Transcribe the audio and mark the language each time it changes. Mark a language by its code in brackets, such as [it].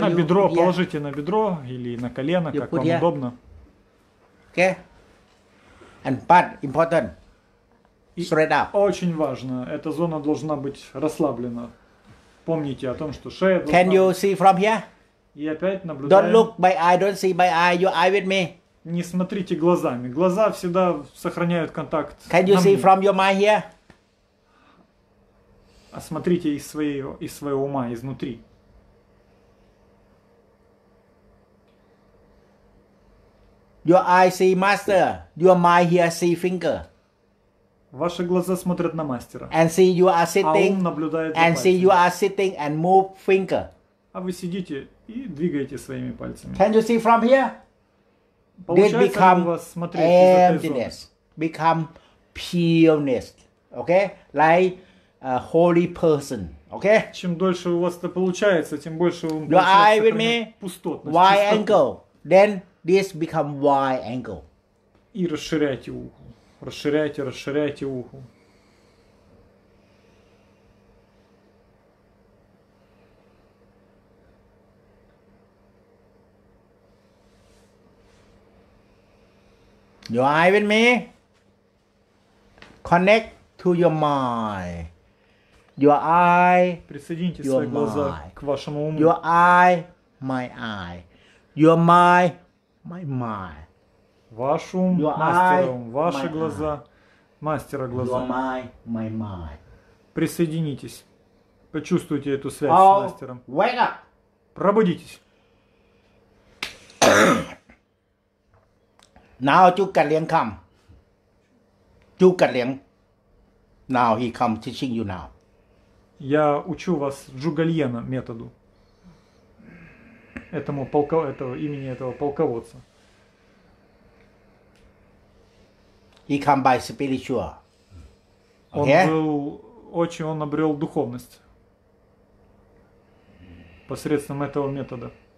[ru] На бедро, положите на бедро или на колено, как вам удобно. [en] Okay. And but important. Spread up. [ru] Очень важно. Эта зона должна быть расслаблена. Помните о том, что шея. [en] Can you see from here? [ru] И опять наблюдаем. [en] Don't look by eye, don't see by eye, your eye with me. [ru] Не смотрите глазами. Глаза всегда сохраняют контакт. [en] Can you see from your mind here? [ru] осмотрите из своего ума изнутри. [en] Your eyes see master, your mind here see finger. [ru] Ваши глаза смотрят на мастера. [en] And see you are sitting. [ru] А ум наблюдает за пальцами. [en] And see you are sitting and move finger. [ru] А вы сидите и двигаете своими пальцами. [en] Can you see from here? [ru] Получается, у вас смотреть из этой зоны. [en] Emptiness, become pureness, okay? Like a holy person, okay? [ru] Чем дольше у вас это получается, тем больше вам получается пустотность. [en] Your eye with me, wide angle, then this become wide angle. [ru] И расширяйте ухо. Расширяйте ухо. [en] Your eye with me. Connect to your mind. Your eye. [ru] Присоедините свои mind. Глаза к вашему уму. [en] Your eye, my eye. Your mind, my mind. [ru] Ваш ум, мастер ум, ваши глаза, eye. Мастера глаза. [en] Your mind, my mind. [ru] Присоединитесь. Почувствуйте эту связь с мастером. [en] Wake up. [ru] Пробудитесь. [en] Now Chukka Liang come. Chukka Liang. Now he come teaching you now. [ru] Я учу вас Джуга Льена методу. Этому имени этого полководца. [en] He come by spiritual. Okay? [ru] Он обрел духовность посредством этого метода.